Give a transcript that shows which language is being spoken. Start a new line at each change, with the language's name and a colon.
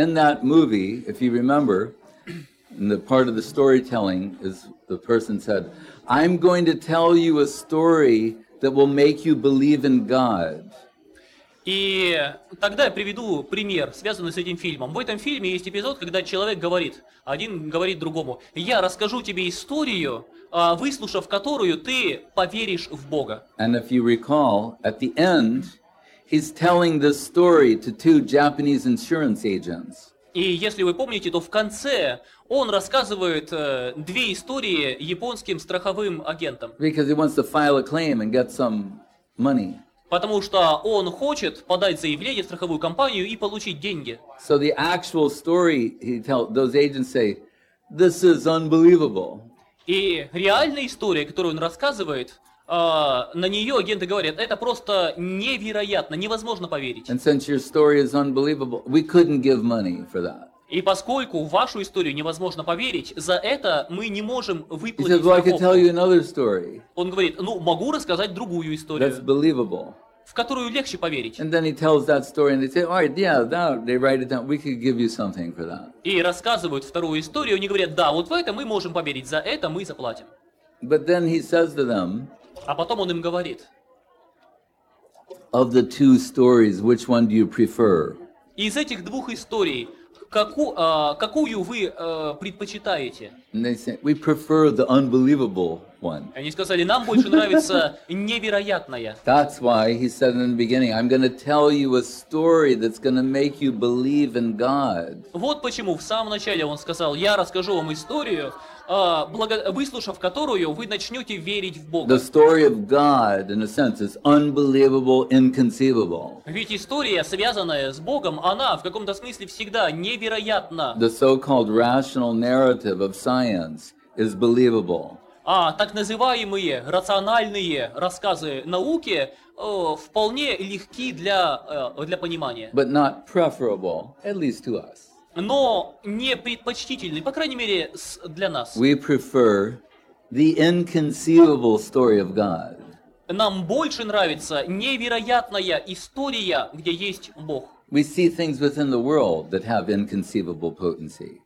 English: In that movie, if you remember, in the part of the storytelling is the person said, I'm going to tell you a story that will make you believe in God.
Russian: И тогда я приведу пример, связанный с этим фильмом. В этом фильме есть эпизод, когда человек говорит, один говорит другому, я расскажу тебе историю, выслушав которую, ты поверишь в Бога.
English: And if you recall, at the end, he's telling this story to two Japanese insurance agents.
Russian: И если вы помните, то в конце он рассказывает две истории японским страховым агентам.
English: Because he wants to file a claim and get some money.
Russian: Потому что он хочет подать заявление в страховую компанию и получить деньги.
English: So the actual story he tells, those agents say, this is unbelievable.
Russian: И реальная история, которую он рассказывает, на нее агенты говорят, это просто невероятно, невозможно поверить.
English: And since your story is unbelievable, we couldn't give money for that.
Russian: И поскольку вашу историю невозможно поверить, за это мы не можем выплатить.
English: He says, well, I can tell you another story.
Russian: Он говорит, ну, могу рассказать другую историю.
English: That's believable.
Russian: В которую легче поверить.
English: And then he tells that story and they say, all right, yeah, that, they write it down, we could give you something for that.
Russian: И рассказывают вторую историю, они говорят, да, вот в это мы можем поверить, за это мы заплатим.
English: But then he says to them,
Russian: а потом он им говорит,
English: of the two stories, which one do you prefer?
Russian: Из этих двух историй, какую вы предпочитаете?
English: We prefer the unbelievable one.
Russian: Они сказали, нам больше нравится невероятное.
English: That's why he said in the beginning, I'm going to tell you a story that's going to make you believe in God.
Russian: Вот почему в самом начале он сказал, я расскажу вам историю, выслушав которую, вы начнете верить в Бога.
English: The story of God, in a sense, is unbelievable, inconceivable.
Russian: Ведь история, связанная с Богом, она в каком-то смысле всегда невероятна.
English: The so-called rational narrative of science is believable.
Russian: А так называемые рациональные рассказы науки вполне легки для понимания.
English: But not preferable, at least to us.
Russian: Но не предпочтительный, по крайней мере, для нас.
English: We prefer the inconceivable story of God.
Russian: Нам больше нравится невероятная история, где есть Бог.
English: We see things within the world that have inconceivable potency.